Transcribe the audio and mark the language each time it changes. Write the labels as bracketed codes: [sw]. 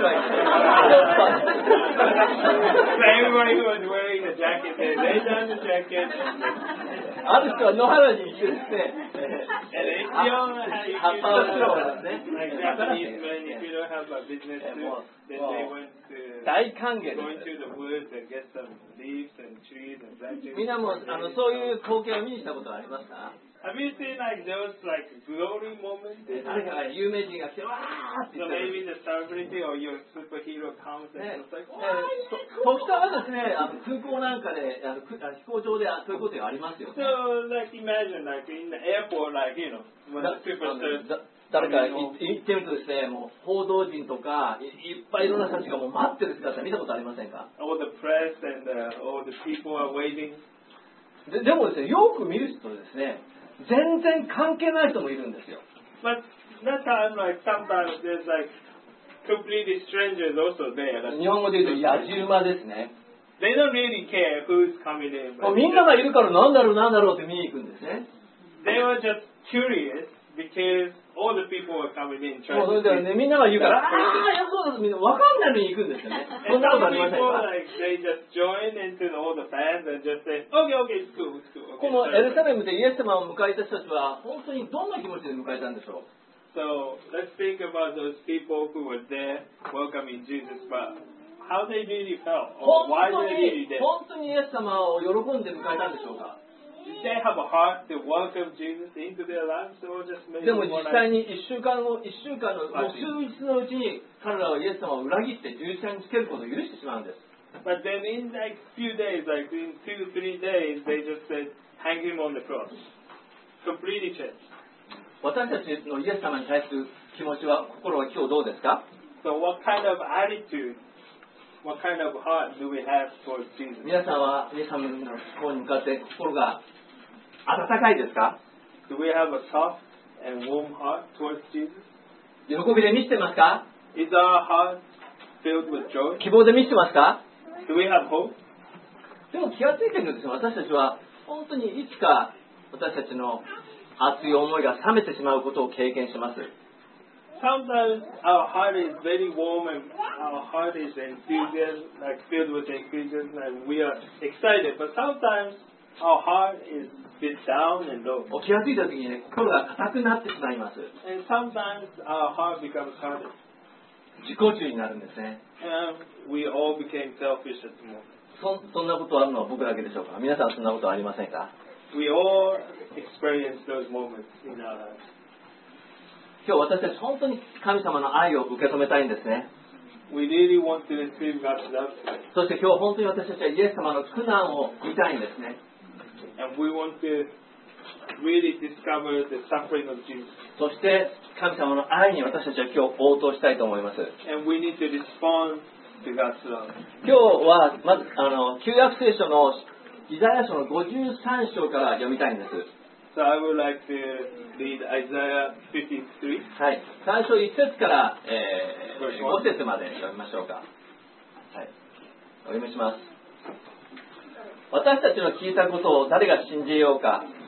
[en] Everybody who was wearing the jacket, they laid down the jacket. Other people know how to do it. And if you don't have a business, if you don't have a business, then they went. [ja] 大歓迎です。みんなもそういう光景を見にしたことはありますか？ [en] Have you seen like those like glory moments? [ja] 誰かが有名人が来てわーって言ってる。 [en] So maybe the celebrity or your superhero comes and it's like, [ja] 時たまですね、空港なんかで、飛行場でそういうことがありますよ。 [en] So like imagine like in the airport like you know, when the superstars... [ja] 誰か行ってみるとですね、もう報道陣とか いっぱいいろんな人たちがもう待ってる姿見たことありませんか？ [en] All the press and all the people are waiting. [ja] でもですね、よく見るとですね、全然関係ない人もいるんですよ。 [en] But that time, like, sometimes there's like completely strangers also there. [ja] 日本語で言うと野じ馬ですね。 [en] They don't really care who's coming in. [ja] みんながいるから何だろう何だろうって見に行くんですね。 [en] They were just curious because all the people were coming in. [ja] もうそれでね、みんなが言うから、ああ、やそうです。みんな分かんないのに行くんですよね。そんなことありません。 [en] People, like, they just join into all the fans and just say, okay, okay, it's cool, it's cool. [ja] このエルサレムでイエス様を迎えた人たちは、本当にどんな気持ちで迎えたんでしょう。 [en] So, let's think about those people who were there welcoming Jesus, but how they really felt, or why they really did. [ja] 本当にイエス様を喜んで迎えたんでしょうか。 [en] Did they have a heart to welcome Jesus into their lives, or just maybe more like... [ja] でも実際に1週間後、1週間の数日のうちに彼らはイエス様を裏切って十字架につけることを許してしまうんです。 [en] But then in like few days, like in 2-3 days, they just said, hang him on the cross. Completely changed. [ja] 私たちのイエス様に対する気持ちは、心は今日どうですか？ [en] So what kind of attitude, what kind of heart do we have towards Jesus? [ja] 皆さんはイエス様の心に向かって心が温かいですか？ [en] Do we have a soft and warm heart towards Jesus? [ja] 喜びで満ちてますか？ [en] Is our heart filled with joy? [ja] 希望で満ちてますか？ [en] Do we have hope? [ja] でも気がついてるんですよ。私たちは本当にいつか私たちの熱い思いが冷めてしまうことを経験します。 [en] Sometimes our heart is very warm and our heart is enthusiastic, like filled with enthusiasm and we are excited. But sometimes our heart is a bit down and low. [ja] 気が付いた時に、ね、心が硬くなってしまいます。 [en] And sometimes our heart becomes hard. [ja] 自己中になるんですね。 [en] And we all became selfish at the moment. [ja] そんなことあるのは僕だけでしょうか。皆さんそんなことありませんか。 [en] We all experience those moments in our lives. [ja] 今日私たち本当に神様の愛を受け止めたいんですね。 [en] We really want to receive God's love. [ja] そして今日本当に私たちはイエス様の苦難を見たいんですね。 [en] And we want to really discover the suffering of Jesus. [ja] そして神様の愛に私たちは今日応答したいと思います。 [en] And we need to respond to God's love. [ja] 今日はまず旧約聖書のイザヤ書の53章から読みたいんです。 [en] So I would like to read Isaiah 53. [ja] はい。最初1節から、5節まで読みましょうか。はい。お読みします。私たちの聞いたことを誰が信じようか。